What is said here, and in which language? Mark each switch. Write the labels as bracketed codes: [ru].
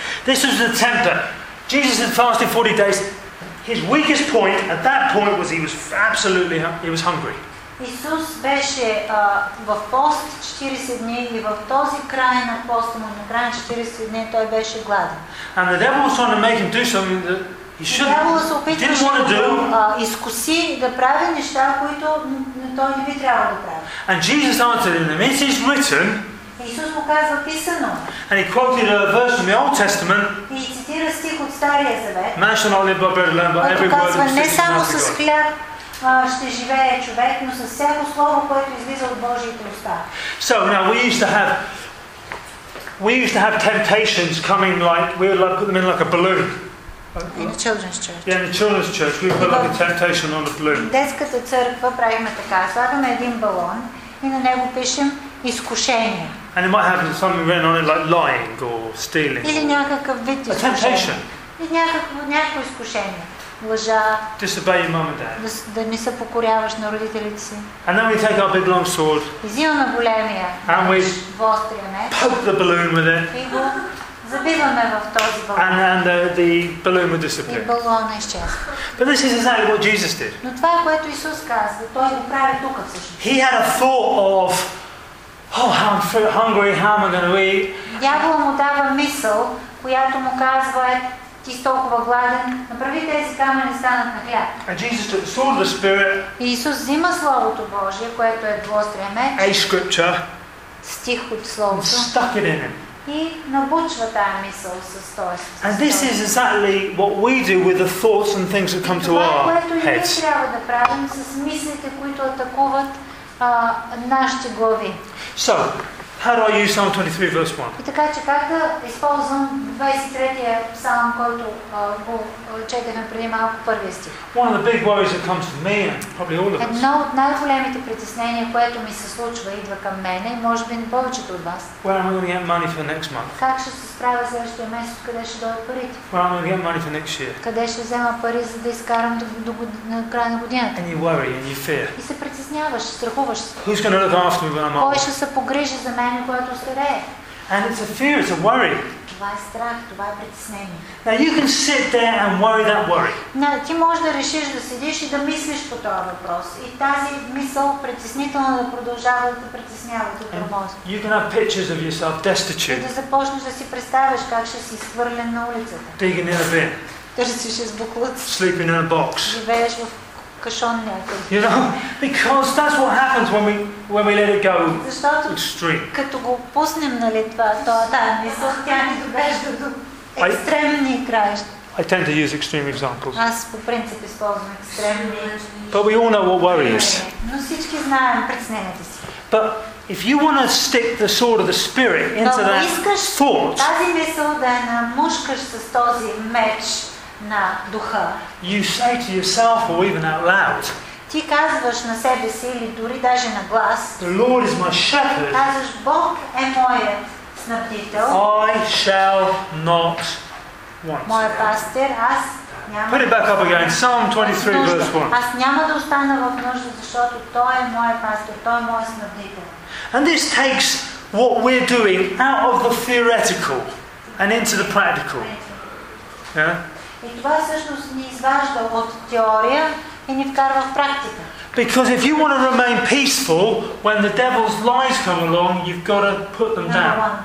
[en] This was the tempter. Jesus had fasted 40 days. His weakest point at that point was he was hungry. [bg] Исус беше в пост 40 дни и в този край на поста му, на края 40 дни, той беше гладен. [en] And the devil was trying to make him do something that he shouldn't. He didn't want to do. [bg] Изкуси да прави неща, които той не би трябвало да прави. [en] And Jesus answered him, it is written. [bg] Исус му казва, писано. [en] And he quoted a verse from the Old Testament. [bg] И цитира стих от Стария Завет. [en] Man shall not live by bread alone, but every word that comes from the mouth of God. [bg] Ще живее човек, но със всяко слово, което излиза от Божиите уста. [en] So now we used to have temptations coming like we would put them in like a balloon. In the children's church. Yeah, in the children's church we put like a temptation on a balloon. [bg] Детската църква правиме така. Слагаме един балон и на него пишем изкушение. [en] And it might have something written on it like lying or stealing. [bg] Или някакъв вид изкушение. [en] A temptation. [bg] Или някакво изкушение. Лъжа, [en] disobey your mom and dad. [bg] Да не се покоряваш на родителите си. [en] And then we take our big long sword. [bg] Взимаме големия. [en] And we poke the balloon with it. [bg] И го забиваме в този балон. [en] And the balloon will disappear. [bg] И балонът изчезва. [en] But this is exactly what Jesus did. [bg] Но това е което Исус каза. Той го прави тук всъщност. [en] He had a thought of, oh, I'm so hungry. How am I going to eat? [bg] Дяволът му дава мисъл, която му казва е. Ти си толкова гладен, направи тези камъни станат на хляб. [en] And Jesus took the sword of the Spirit. [bg] И Исус взима Словото Божие, което е двострия меч. [en] A scripture. [bg] Стих от Словото. [en] And stuck it in him. [bg] И набучва тая мисъл с този. [en] And this is exactly what we do with the thoughts and things that come to our heads. [bg] Това е което ние трябва да правим с мислите, които атакуват нашите глави. [en] So, how do I use Psalm 23 verse 1? [bg] Така че как да използвам 23-я псалм, който го четахме преди малко, първия стих. [en] One of the big worries that comes to me and probably all of us. [bg] Едно от най-големите притеснения, което ми се случва, идва към мене и може би не повечето от вас. [en] Where am I going to get money for next month? [bg] Как ще се справя следващия месец, къде ще дойдат парите? [en] Where am I going to get money for next year? [bg] Къде ще взема пари, за да изкарам до края на годината? [en] And you worry and you fear. [bg] И се притесняваш, страхуваш се. [en] Who's going to look after me when I'm old? [bg] Кой ще се погрижи за мен, когато старея? [en] And it's a fear, it's a worry. [bg] Това е страх, това е притеснение. [en] Now you can sit there and worry that worry. [bg] Но ти можеш да решиш да седиш и да мислиш по този въпрос. И тази мисъл притеснително да продължава да те притеснява до тромоза. [en] You can have pictures of yourself destitute. [bg] Да започнеш да си представяш как ще си изхвърлен на улицата. [en] Digging in a bin. [bg] Търсиш с буклуци. [en] Sleeping in a box. [bg] Живееш в кашон някъде. [en] You know, because that's what happens when we let it go. [bg] Защото extreme. Като го пуснем, нали, това, мисъл, тя ни довежда до екстремни краища. [en] I tend to use extreme examples. [bg] Аз по принцип използвам екстремни. [en] But we all know what worry is. [bg] Но всички знаем притесненията си. [en] But If you want to stick the sword of the spirit into that thought, [bg] тази мисъл да я намушкаш с този меч на духа, [en] you say to yourself or even out loud, [bg] ти казваш на себе си или дори даже на глас, [en] the Lord is my shepherd, [bg] казваш, Бог е моят снабдител, [en] I shall not want. [bg] Моя пастир, аз [en] put it back up again. Psalm 23, verse 1. [bg] Аз няма да остана в нужда, защото Той е моят пастир, Той е моят снабдител. [en] And this takes what we're doing out of the theoretical and into the practical. [bg] И това всъщност ни изважда от теория и ни вкарва в практика. [en] Because if you want to remain peaceful when the devil's lies come along, you've got to put them down.